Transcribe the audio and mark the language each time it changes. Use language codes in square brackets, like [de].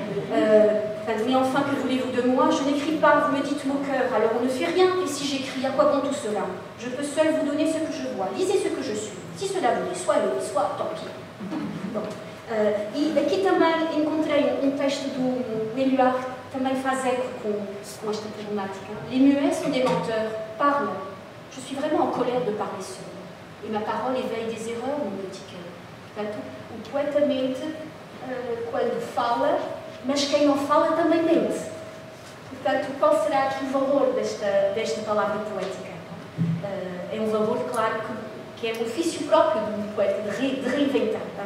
[fr] Mais enfin, que voulez-vous de moi? Je n'écris pas, vous me dites mon cœur, alors on ne fait rien. Et si j'écris, à quoi bon tout cela? Je peux seul vous donner ce que je vois. Lisez ce que je suis. Si cela vous déçoit, soit oui, soit tant pis. [pt] E aqui também encontrei um texto do Meluard, que também faz eco com esta problemática. [fr] Les muets sont des menteurs, parlent. Je suis vraiment en colère de parler seul. Et ma parole éveille des erreurs, mon petit cœur. [pt] Portanto, o poeta mente quando fala, mas quem não fala também mente. Portanto, qual será aqui o valor desta palavra poética? É um valor, claro, que é o ofício próprio do poeta, de reinventar, tá?